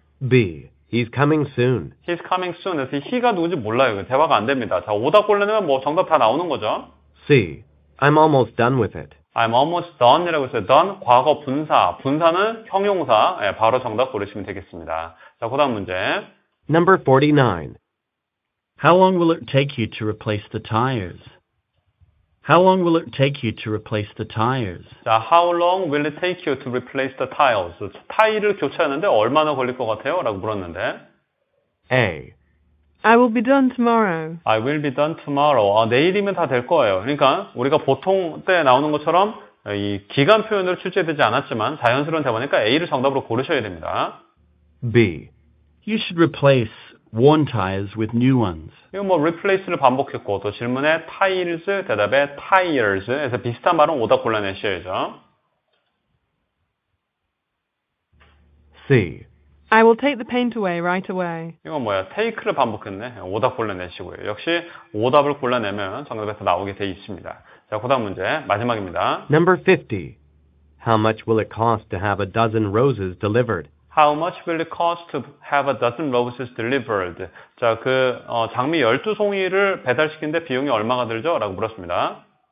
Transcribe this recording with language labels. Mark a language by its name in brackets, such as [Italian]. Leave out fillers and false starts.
[English] B. He's coming soon. He's coming soon. [Korean] 그래서 he가 누군지 몰라요. 대화가 안 됩니다. 자, 오답 골라내면 뭐 정답 다 나오는 거죠. [English] C. I'm almost done with it. I'm almost done [Korean] 이라고 했어요. done, 과거 분사. 분사는 형용사. 예, 바로 정답 고르시면 되겠습니다. 자, 그 다음 문제. [English] Number 49. How long will it take you to replace the tires? How long will it take you to replace the tires? 자, how long will it take you to replace the tires? [Korean] 타일을 교체하는데 얼마나 걸릴 것 같아요? 라고 물었는데. [English] A. I will be done tomorrow. I will be done tomorrow. [Korean] 아, 내일이면 다 될 거예요. 그러니까 우리가 보통 때 나오는 것처럼 이 기간 표현으로 출제되지 않았지만 자연스러운 대화니까 A를 정답으로 고르셔야 됩니다. [English] B. You should replace worn tires with new ones. [Korean] 이거 뭐 replace를 반복했고 또 질문에 tiles, 대답에 tires 해서 비슷한 말은 오답 골라내셔야죠. [English] C. I will take the paint away right away. [Korean] 이거 뭐야? take를 반복했네. 오답 골라내시고요. 역시 오답을 골라내면 정답에서 나오게 돼 있습니다. 자, 그 다음 문제 마지막입니다. [English] Number 50. How much will it cost to have a dozen roses delivered? How much will it cost to have a dozen roses delivered? [Korean] 자, 그 장미 12송이를 배달시키는데 비용이 얼마가 들죠? 라고 물었습니다.